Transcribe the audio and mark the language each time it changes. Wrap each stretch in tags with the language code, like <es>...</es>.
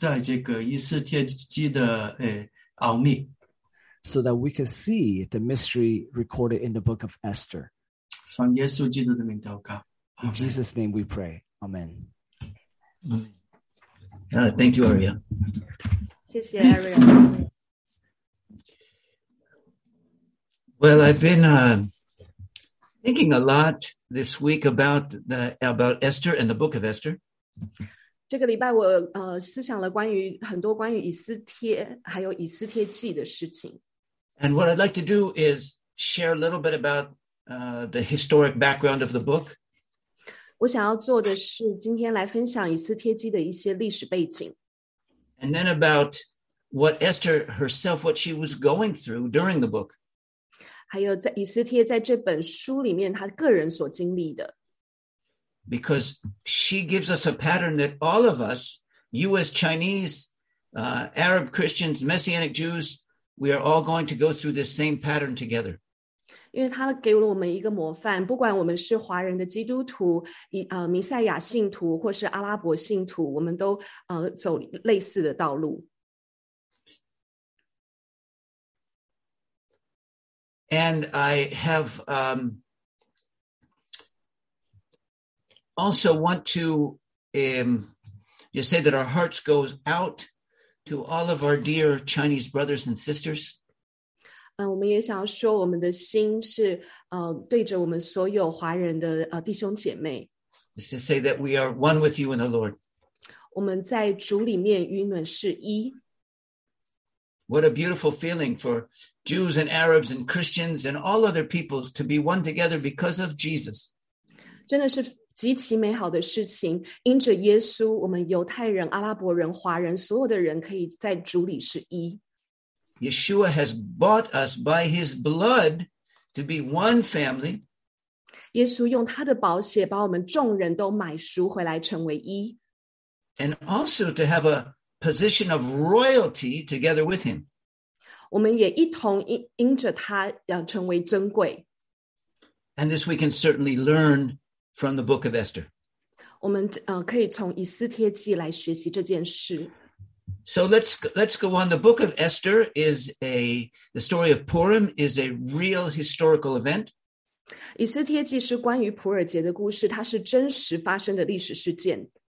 <zh>就能够我们能够看这个以斯帖记的奥秘。</zh> <en>So that we can see the mystery recorded in the book of Esther. In Jesus' name we pray. Amen. Thank you, Aria. Well, I've been thinking a lot this week about Esther and the book of Esther.</en> <zh>这个礼拜我思想了关于很多关于以斯帖还有以斯帖记的事情。</zh> <en>And what I'd like to do is share a little bit about the historic background of the book.</en> <zh>我想要做的是今天来分享以斯帖记的一些历史背景。</zh> <en>And then about what Esther herself, what she was going through during the book.</en> <zh>还有在以斯帖在这本书里面他个人所经历的。</zh> <en>Because she gives us a pattern that all of us, you as Chinese, Arab Christians, Messianic Jews, we are all going to go through this same pattern together.</en> <zh>因为他给了我们一个模范，不管我们是华人的基督徒、弥赛亚信徒或是阿拉伯信徒，我们都走类似的道路。</zh> <en>And I have also want to just say that our hearts go out to all of our dear Chinese brothers and sisters.</en> <zh>我们也想要说我们的心是对着我们所有华人的弟兄姐妹。</zh> <en>Just to say that we are one with you in the Lord.</en> <zh>我们在主里面与你们是一。</zh> <en>What a beautiful feeling for Jews and Arabs and Christians and all other peoples to be one together because of Jesus.</en> <zh>真的是极其美好的事情，因着耶稣，我们犹太人、阿拉伯人、华人，所有的人可以在主里是一。</zh> <en>Yeshua has bought us by his blood to be one family.</en> <zh>耶稣用他的宝血把我们众人都买赎回来成为一。</zh> <en>And also to have a position of royalty together with him.</en> <zh>我们也一同因着他要成为尊贵。</zh> <en>And this we can certainly learn from the book of Esther.</en> <zh>我们可以从以斯帖记来学习这件事。</zh> <en>So let's go on. The book of Esther is the story of Purim is a real historical event.</en> <zh>以斯帖记是关于普尔节的故事，它是真实发生的历史事件。</zh>